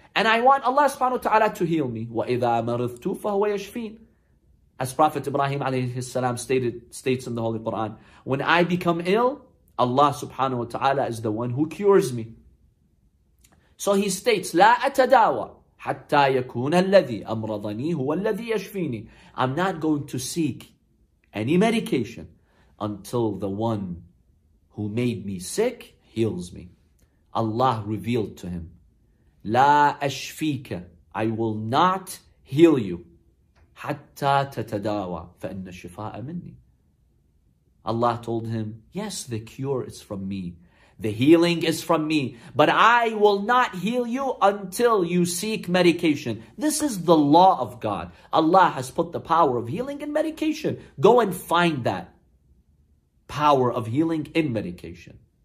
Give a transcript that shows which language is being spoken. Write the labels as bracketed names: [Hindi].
[English] And I want Allah subhanahu wa ta'ala to heal me. [Arabic] وَإِذَا مَرِضْتُ فَهُوَ يَشْفِينَ. [English] As Prophet Ibrahim alayhi salam states in the Holy Quran, when I become ill, Allah subhanahu wa ta'ala is the one who cures me. So he states, [Arabic] لا أتداوى حتى يكون الذي أمرضني هو الذي يشفيني. [English] I'm not going to seek any medication until the one who made me sick heals me. Allah revealed to him, [Arabic] لا أشفيك, [English] I will not heal you. [Arabic] حتى تتداوى فإن الشفاء مني. [English] Allah told him, yes, the cure is from me. The healing is from me. But I will not heal you until you seek medication. This is the law of God. Allah has put the power of healing in medication. Go and find that power of healing in medication.